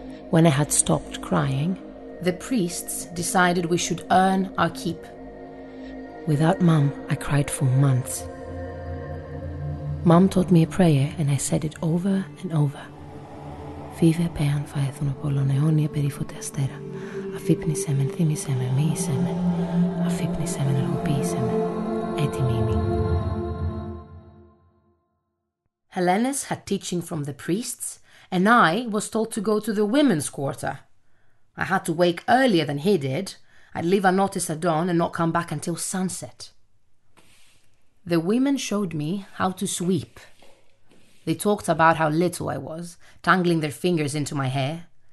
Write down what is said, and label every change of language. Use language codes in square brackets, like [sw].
[en] when I had stopped crying, the priests decided we should earn our keep. Without Mum, I cried for months. Mum taught me a prayer and I said it over and over. Vive pean phaethon apollon aeonia perifute astera. [el] Αφύπνισέ με, θύμισέ με, μίησέ με, αφύπνισέ με, ενεργοποίησέ με, έτοιμη είμαι. [en] Helenus had teaching from the priests, and I was told to go to the women's quarter. I had to wake earlier than he did. I'd leave unnoticed at dawn and not come back until sunset. The women showed me how to sweep. They talked about how little I was, tangling their fingers into my hair.